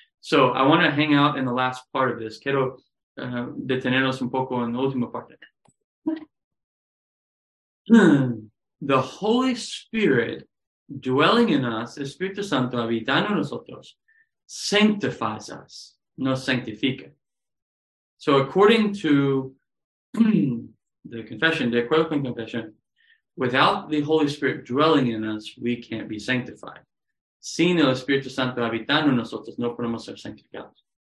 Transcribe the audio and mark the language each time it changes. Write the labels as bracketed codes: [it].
[en] So I want to hang out in the last part of this. [es] Quiero detenernos un poco en la última parte. [en] The Holy Spirit dwelling in us, [es] Espíritu Santo habitando en nosotros, [en] sanctifies us, [es] nos sanctifica. [en] So according to the confession, [es] de acuerdo con confession, [en] without the Holy Spirit dwelling in us, we can't be sanctified. [es] Sin el Espíritu Santo habitando en nosotros, no podemos ser sanctificados.